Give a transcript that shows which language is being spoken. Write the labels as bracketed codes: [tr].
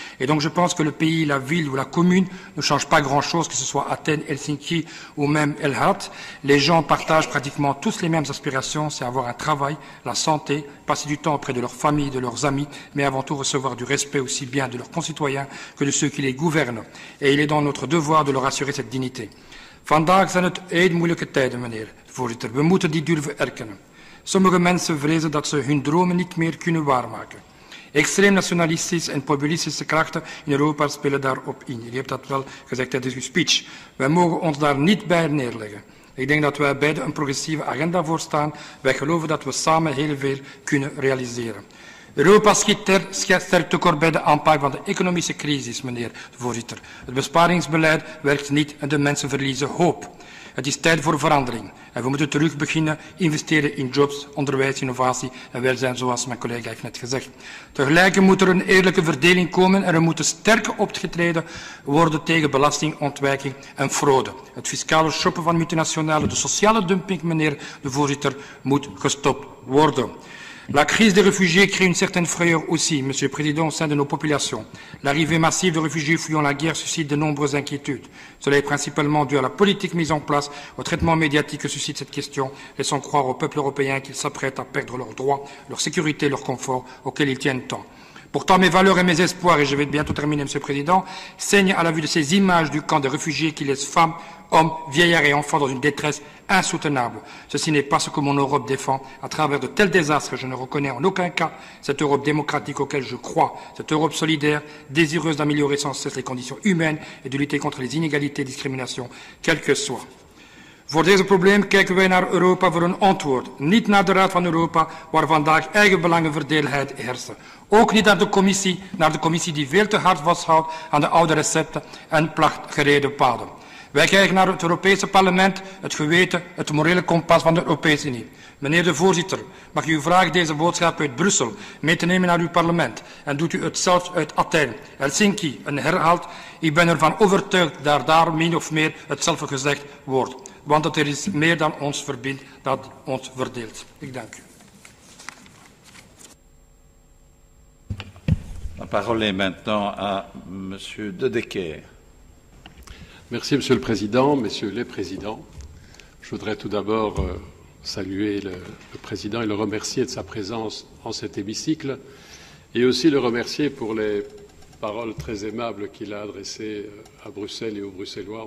[fr] Et donc, je pense que le pays, la ville ou la commune ne change pas grand-chose, que ce soit Athènes, Helsinki ou même El Hat. Les gens partagent pratiquement tous les mêmes aspirations, c'est avoir un travail, la santé, passer du temps auprès de leur famille, de leurs amis, mais avant tout recevoir du respect aussi bien de leurs concitoyens que de ceux qui les gouvernent. Et il est dans notre devoir de leur assurer cette dignité. [nl] Vandaag zijn het heel moeilijke tijden, meneer voorzitter. We moeten die durven erkennen. Sommige mensen vrezen dat ze hun dromen niet meer kunnen waarmaken. Extreem nationalistische en populistische krachten in Europa spelen daarop in. Je hebt dat wel gezegd tijdens uw speech. Wij mogen ons daar niet bij neerleggen. Ik denk dat wij beide een progressieve agenda voorstaan. Wij geloven dat we samen heel veel kunnen realiseren. Europa schiet sterk tekort bij de aanpak van de economische crisis, meneer de voorzitter. Het besparingsbeleid werkt niet en de mensen verliezen hoop. Het is tijd voor verandering en we moeten terug beginnen investeren in jobs, onderwijs, innovatie en welzijn, zoals mijn collega heeft net gezegd. Tegelijk moet er een eerlijke verdeling komen en er moeten sterker opgetreden worden tegen belastingontwijking en fraude. Het fiscale shoppen van multinationales, de sociale dumping, meneer de voorzitter, moet gestopt worden. [fr] La crise des réfugiés crée une certaine frayeur aussi, Monsieur le Président, au sein de nos populations. L'arrivée massive de réfugiés fuyant la guerre suscite de nombreuses inquiétudes. Cela est principalement dû à la politique mise en place, au traitement médiatique que suscite cette question, laissant croire au peuple européen qu'ils s'apprêtent à perdre leurs droits, leur sécurité, leur confort, auxquels ils tiennent tant. Pourtant, mes valeurs et mes espoirs, et je vais bientôt terminer, Monsieur le Président, saignent à la vue de ces images du camp des réfugiés qui laissent femmes, hommes, vieillards et enfants dans une détresse insoutenable. Ceci n'est pas ce que mon Europe défend. À travers de tels désastres, je ne reconnais en aucun cas cette Europe démocratique auquel je crois, cette Europe solidaire, désireuse d'améliorer sans cesse les conditions humaines et de lutter contre les inégalités et discriminations, quelles que soient. [nl] Voor deze problemen kijken wij naar Europa voor een antwoord. Niet naar de Raad van Europa, waar vandaag eigen belangenverdeeldheid heersen. Ook niet naar de Commissie, die veel te hard vasthoudt aan de oude recepten en placht gereden paden. Wij kijken naar het Europese parlement, het geweten, het morele kompas van de Europese Unie. Meneer de voorzitter, mag u vragen deze boodschap uit Brussel mee te nemen naar uw parlement? En doet u het zelfs uit Athene, Helsinki, een herhaald? Ik ben ervan overtuigd dat daar min of meer hetzelfde gezegd wordt. Want het is meer dan ons verbindt dat ons verdeelt. Ik dank u. [fr] La parole est maintenant à monsieur de Decker. Merci, Monsieur le Président, Messieurs les Présidents. Je voudrais tout d'abord saluer le Président et le remercier de sa présence en cet hémicycle et aussi le remercier pour les paroles très aimables qu'il a adressées à Bruxelles et aux Bruxellois.